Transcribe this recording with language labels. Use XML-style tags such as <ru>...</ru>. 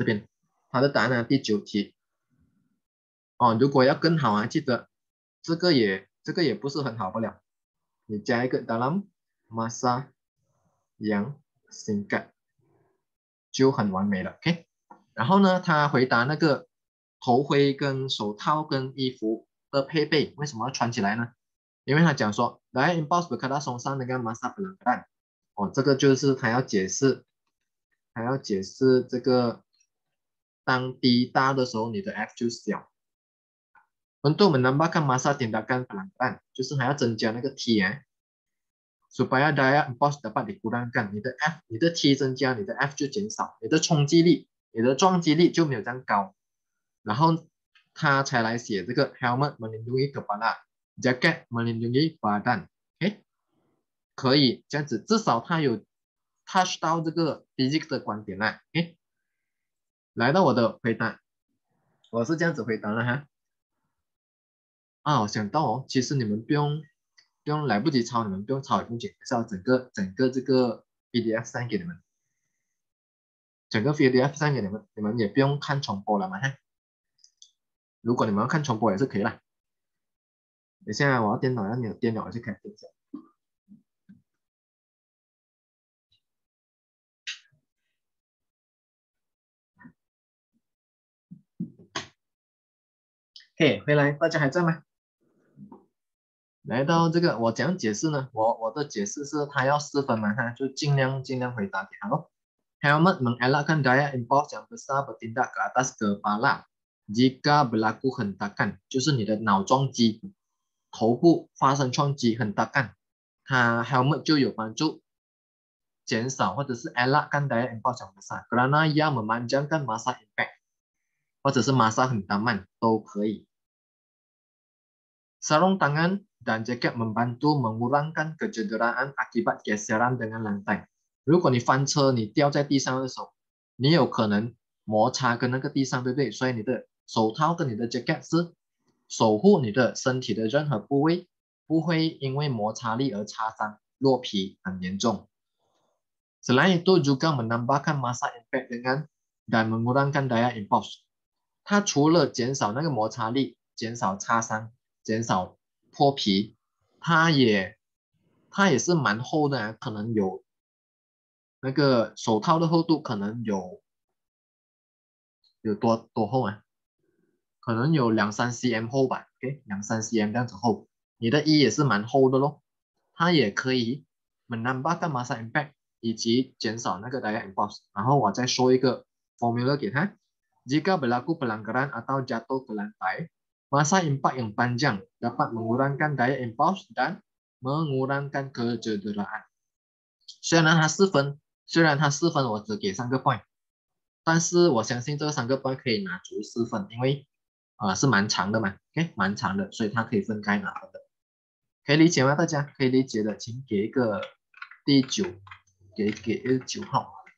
<zh>这边他的答案呢，第九题，如果要更好啊，记得这个也不是很好不了，你加一个</zh> <ms>dalam masa yang singkat。</ms> <zh>就很完美了 ，OK。然后呢，他回答那个头盔跟手套跟衣服的配备为什么要穿起来呢？因为他讲说，来 impossible kata song san dengan masa pelanggaran。哦，这个就是他要解释，他要解释这个当 D 大的时候，你的 F 就小。</zh> <ms>Untuk menambahkan masa tindakan pelanggaran，</ms> <zh>就是还要增加那个 T 啊。</zh> <ms>Supaya daya impuls dapat dikurangkan，</ms> <zh>你的 F， 你的 T 增加，你的 F 就减少，你的冲击力，你的撞击力就没有这样高。然后他才来写这个</zh> <ms>helmet melindungi kepala， jacket melindungi badan。</ms> <zh>哎，可以这样子，至少他有 touch 到这个 physics 的观点啦。哎，来到我的回答，我是这样子回答了哈。啊，我想到哦，其实你们不用来不及抄，你们不用抄也不紧，是要整个这个 PDF 删给你们，整个 PDF 删给你们，你们也不用看重播了嘛哈。如果你们要看重播也是可以啦。等一下，我要电脑，要你的电脑，我去看一下。嘿、hey， 回来，大家还在吗？来到这个，我怎样解释呢？我的解释是，他要四分嘛，他就尽量回答给他咯。</zh> <ms>Helmet mengelakkan daya impuls yang besar bertindak ke atas kepala jika berlaku hentakan，</ms> <zh>就是你的脑撞击，头部发生撞击</zh> <ms>hentakan， 他 helmet</ms> <zh>就有帮助减少，或者是</zh> <ms>elakkan daya impuls yang besar kerana ia memanjangkan masa impact。</ms> <zh>或者是</zh> <ms>masa hentaman</ms> <zh>都可以。</zh> <ms>Sarung tangan dan jaket membantu mengurangkan kecederaan akibat geseran dengan lantai。</ms> <zh>如果你翻车，你掉在地上的时候，你有可能摩擦跟那个地上，对不对？所以你的手套跟你的 jacket 是守护你的身体的任何部位，不会因为摩擦力而擦伤，落皮很严重。</zh> <ms>Selain itu juga menambahkan masa impact dengan dan mengurangkan daya impuls。</ms> <zh>它除了减少那个摩擦力，减少擦伤，减少破皮，它也是蛮厚的、啊、可能有那个手套的厚度可能有多厚啊，可能有两三 cm 厚吧， OK， 两三 cm 这样子厚，你的衣也是蛮厚的咯，它也可以</zh> <ms>menambahkan masa impact</ms> <zh>以及减少那个 daya impuls。然后我再说一个 formula 给它。</zh> <ms>Jika berlaku pelanggaran atau jatuh ke lantai, masa impak yang panjang dapat mengurangkan daya impuls dan mengurangkan kecederaan.</ms> <zh>虽然它四分，我只给三个 point， 但是我相信这三个 point 可以拿出四分，因为是蛮长的嘛 ，OK， 蛮长的，所以它可以分开拿的。可以理解吗？大家可以理解的，请给一个第九，给九号。</zh>